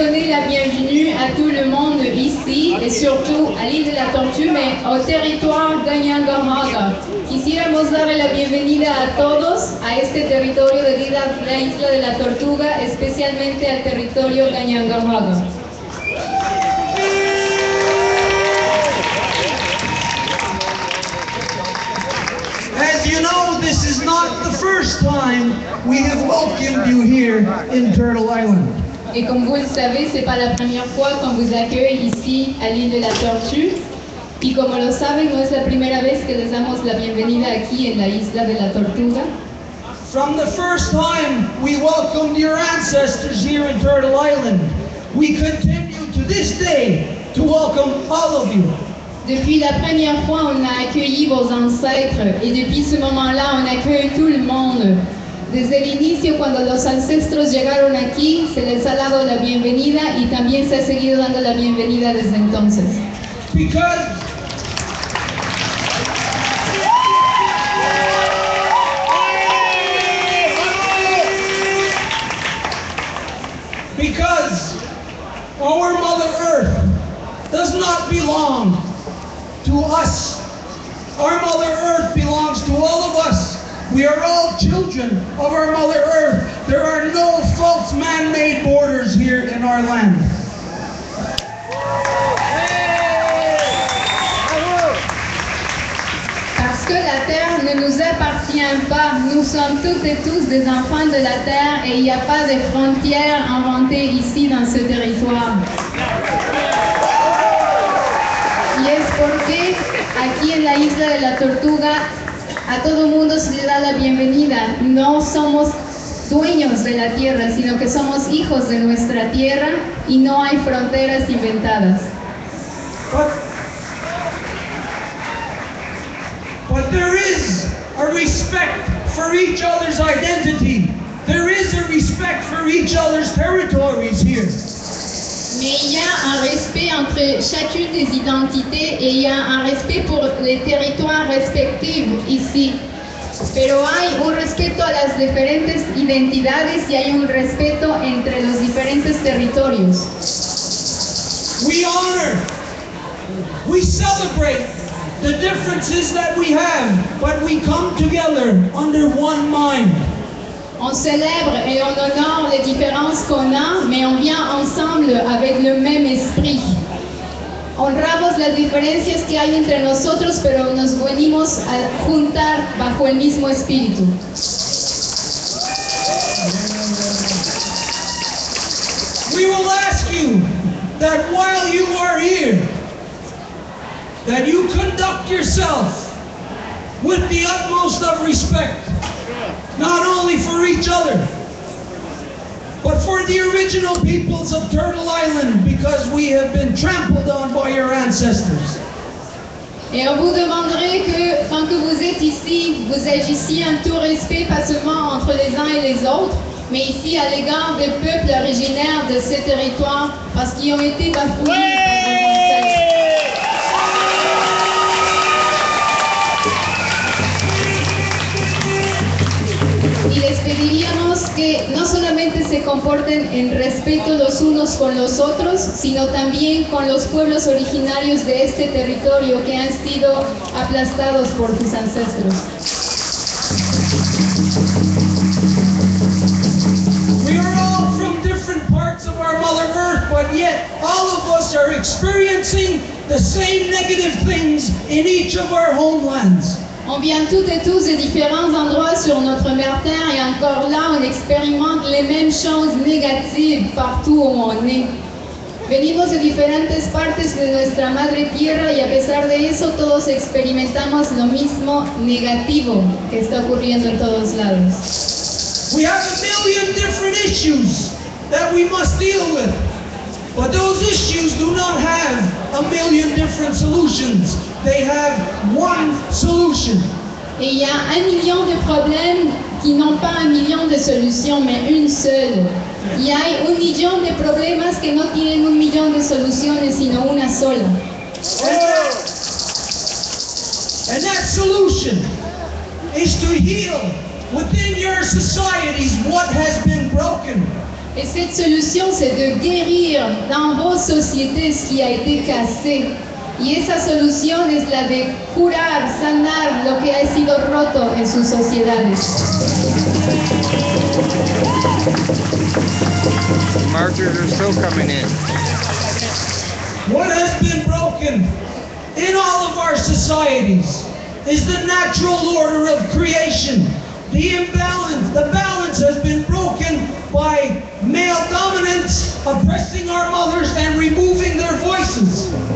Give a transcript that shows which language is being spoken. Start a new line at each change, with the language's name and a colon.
French: La bienvenue à tout le monde ici et surtout à l'île de la Tortue, mais au territoire Ganagahaga.
Spanish: Quisiéramos dar la bienvenida a todos a este territorio de vida, la isla de la Tortuga, especialmente al territorio Ganagahaga.
English: As you know, this is not the first time we have welcomed you here in Turtle Island.
French: Et comme vous le savez, ce n'est pas la première fois qu'on vous accueille ici à l'île de la Tortue. Et comme vous le savez,
Spanish: no es la primera vez que les damos la bienvenida aquí en la isla de la Tortuga.
English: From the first time we welcomed your ancestors here in Turtle Island, we continue to this day to welcome all of you.
French: Depuis la première fois, on a accueilli vos ancêtres et depuis ce moment-là, on accueille tout le monde.
Spanish: Desde el inicio, cuando los ancestros llegaron aquí, se les ha dado la bienvenida y también se ha seguido dando la bienvenida desde entonces.
English: Because our Mother Earth does not belong to us. Our Mother Earth belongs to all of us. We are all children of our Mother Earth. There are no false man-made borders here in our land.
French: Parce que la terre ne nous appartient pas. Nous sommes toutes et tous des enfants de la terre et il n'y a pas de frontières inventées ici dans ce territoire.
Spanish: Y es porque aquí en la isla de la Tortuga a todo mundo se le da la bienvenida. No somos dueños de la tierra, sino que somos hijos de nuestra tierra y no hay fronteras inventadas.
English: But there is a respect for each other's identity. There is a respect for each other's territories here.
French: Mais il y a un respect entre chacune des identités et il y a un respect pour les territoires respectifs ici.
Spanish: Pero hay un respeto a las diferentes identidades y hay un respeto entre los diferentes territorios.
English: We honor, we celebrate the differences that we have, but we come together under one mind.
French: On célèbre et on honore les différences qu'on a, mais on vient ensemble avec le même esprit.
Spanish: Honramos las diferencias que hay entre nosotros, pero nos venimos a juntar bajo el mismo espíritu.
English: We will ask you that while you are here, that you conduct yourself with the utmost of respect, not only for each other, but for the original peoples of Turtle Island, because we have been trampled on by your ancestors.
French: Et on vous demanderait que, tant que vous êtes ici, vous agissiez en tout respect, pas seulement entre les uns et les autres, mais ici à l'égard des peuples originaires de ces territoires, parce qu'ils ont été bafouillés par vos ancêtres.
Spanish: Diríamos que no solamente se comporten en respeto los unos con los otros, sino también con los pueblos originarios de este territorio que han sido aplastados por sus ancestros.
English: We are all from different parts of our Mother Earth, but yet all of us are experiencing the same negative things in each of our homelands.
French: On vient toutes et tous de différents endroits sur notre mère terre et encore là, on expérimente les mêmes choses négatives partout où on est.
Spanish: Venimos de diferentes partes de nuestra madre tierra y a pesar de eso, todos experimentamos lo mismo negativo que está ocurriendo en todos lados.
English: We have a million different issues that we must deal with, but those issues do not have a million different solutions. They have one solution.
French: Et il y a un million de problèmes qui n'ont pas un million de solutions, mais une seule. Il y a un million de problèmes qui n'ont pas un million de solutions,
Spanish: sino una sola.
English: And that solution is to heal within your societies what has been broken.
French: Et cette solution, c'est de guérir dans vos sociétés ce qui a été cassé.
Spanish: Y esa solución es la de curar, sanar lo que ha sido roto en sus sociedades.
English: Marchers are still coming in. What has been broken in all of our societies is the natural order of creation. The imbalance, the balance has been broken by male dominance oppressing our mothers and removing their voices.